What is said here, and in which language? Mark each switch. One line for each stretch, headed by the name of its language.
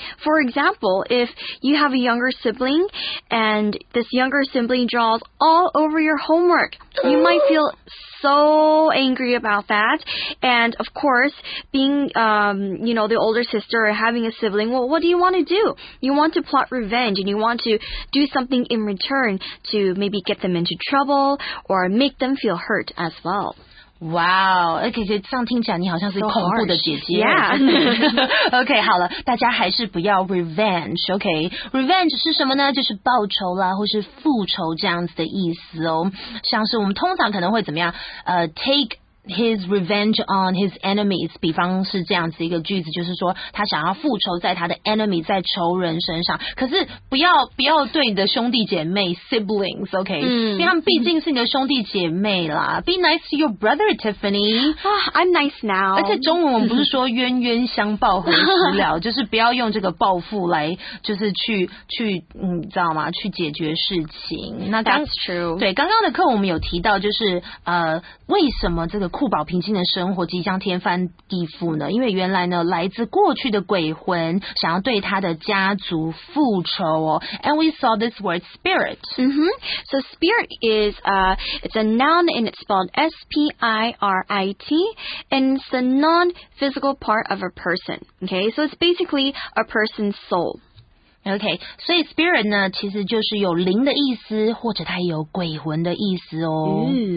English: For example, if you have a younger sibling and this younger sibling draws all over your homework, you might feel so angry about that. And of course, being, you know, the older sister or having a sibling, well, what do you want to do? You want to plot revenge and you want to do something in return to maybe get them into trouble or make them feel hurt as well.
Chinese: Wow, 而且这样听起来你好像是恐怖的姐姐。
English: Yeah.
Chinese: OK, 好了，大家还是不要 revenge, OK? Revenge 是什么呢？就是报仇啦，或是复仇这样子的意思哦。像是我们通常可能会怎么样？
English: Take his revenge on his enemies,
Chinese: 比方是这样子一个句子，就是说他想要复仇在他的 enemy, 在仇人身上。可是不要对你的兄弟姐妹 siblings, OK? 因为他们毕竟是你的兄弟姐妹啦。
English: Be nice to your brother, Tiffany. I'm nice now.
Chinese: 而且中文我们不是说冤冤相报何时了，就是不要用这个报复来就是去你知道吗，去解决事情。
English: 那 That's true.
Chinese: 对，刚刚的课我们有提到就是为什么这个酷宝平静的生活即将天翻地覆呢？因为原来呢，来自过去的鬼魂想要对他的家族复仇哦。
English: And we saw this word spirit. Mm-hmm. So spirit is it's a noun and it's spelled S-P-I-R-I-T. And it's the non-physical part of a person. Okay, so it's basically a person's soul.
Chinese: OK, 所以 spirit 呢，其实就是有灵的意思，或者它有鬼魂的意思哦。